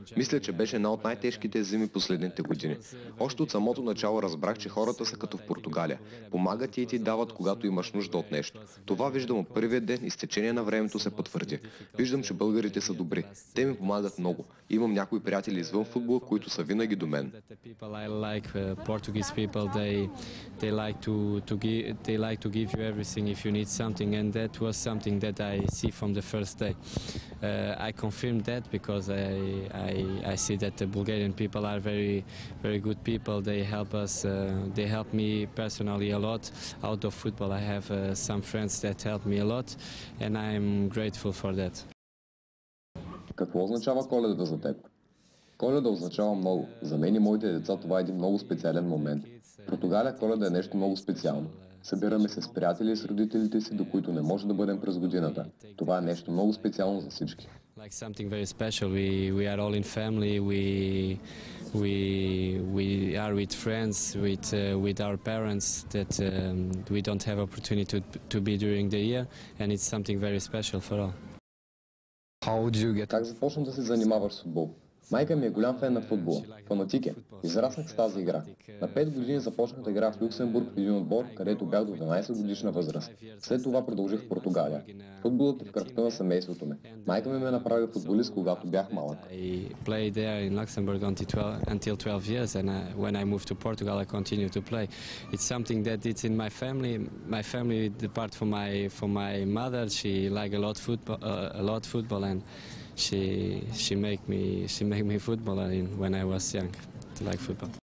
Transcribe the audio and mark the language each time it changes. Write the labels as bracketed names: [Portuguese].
[Bulgarian] Мисля, че беше една от най-тежките зими последните години. Още от самото начало разбрах, че хората са като в Португалия. Помагат и ти дават, когато имаш нужда от нещо. Това виждам от първия ден и с течение на времето се потвърди. Виждам, че българите са добри. Те ми помагат много. Имам някои приятели извън футбола, които са винаги до мен. [English] Like, they like to give you everything if you need something, and that was something that I see from the first day. I confirmed that because I see that the Bulgarian people are very, very good people. They help us. They help me personally a lot. Out of football, I have some friends that help me a lot, and I'm grateful for that. [Bulgarian] Какво означава Коледа за теб? Коледа означава много. За мен и моите деца това е един много специален момент. В Португалия Коледа е нещо много специално. Събираме се с приятели и с родителите си, до които не може да бъдем през годината. Това е нещо много специално за всички. [English] Like something very special. We are all in family. We are with friends, with our parents that we don't have opportunity to be during the year, and it's something very special for all. How do you get? [Bulgarian] Как започна да се занимаваш с футбол? Майка ми е голям фен на футбола, фанатик е. Израснах с тази игра. На 5 години започнах да играя в Люксембург в един отбор, където бях до 12 годишна възраст. След това продължих в Португалия. Футболът е в кръвта на семейството ми. Майка ми ме направи футболист, когато бях малък. [English] I played there in Luxembourg until 12 years, and when I moved to Portugal, I continued to play. It's something that it's in my family. My family, apart from my mother, she likes a lot football, and She made me footballer when I was young, to like football.